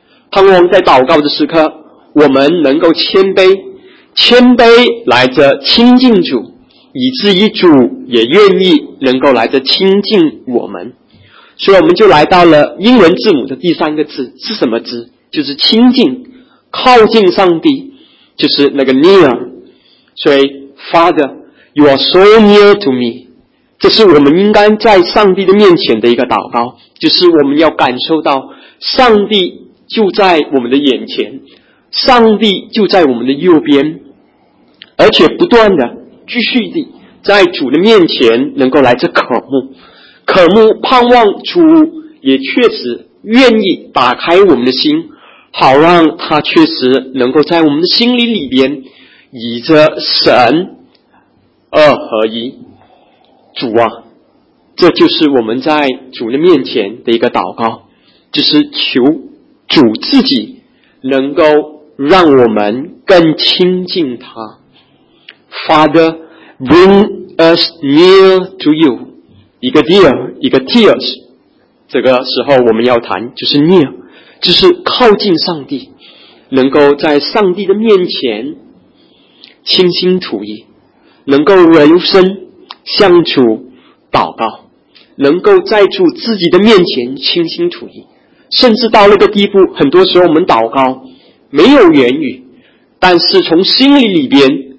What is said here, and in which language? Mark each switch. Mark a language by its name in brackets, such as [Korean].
[Chinese] 盼望在祷告的时刻，我们能够谦卑，谦卑来这亲近主，以至于主也愿意能够来这亲近我们。所以我们就来到了英文字母的第三个字，是什么字？就是亲近，靠近上帝，就是那个 near。所以 [English] Father, you are so near to me。 [Chinese] 这是我们应该在上帝的面前的一个祷告，就是我们要感受到上帝就在我们的眼前，上帝就在我们的右边，而且不断的继续地在主的面前能够来这渴慕，渴慕盼望主也确实愿意打开我们的心，好让他确实能够在我们的心里里边以着神二合一。主啊，这就是我们在主的面前的一个祷告，就是求主自己能够让我们更亲近他。 [English] Father, bring us near to you。 [Chinese] 一个 dear, 一个 tears， 这个时候我们要谈就是 near， 就是靠近上帝，能够在上帝的面前倾心吐意，能够柔身向主祷告，能够在主自己的面前倾心吐意，甚至到那个地步，很多时候我们祷告没有言语，但是从心里里边